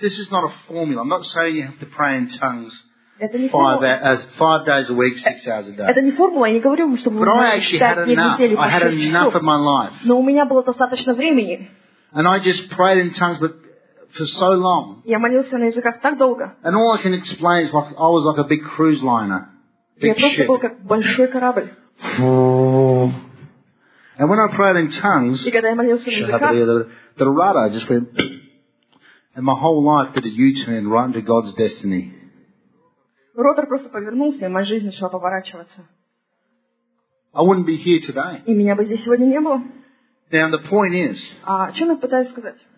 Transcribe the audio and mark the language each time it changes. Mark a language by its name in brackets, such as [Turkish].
[English] This is not a formula. I'm not saying you have to pray in tongues. Five days a week, 6 hours a day. [Russian] Это не формула, я не говорю, что мы можем читать недели по 6 часов. [English] But I had enough of my life. [Russian] Но у меня было достаточно времени. [English] And I just prayed in tongues, but for so long. [Russian] Я молился на языках так долго. [English] And all I can explain is like I was like a big cruise liner. [Russian] Я просто был как большой корабль. [English] And when I prayed in tongues, [Russian] и когда я молился на языках, [English] the rudder just went, and my whole life did a U-turn right into God's destiny. [Russian] Ротор просто повернулся, и моя жизнь начала поворачиваться. [English] I wouldn't be here today. [Russian] И меня бы здесь сегодня не было. [English] Now the point is. [Russian] А о чем я пытаюсь сказать?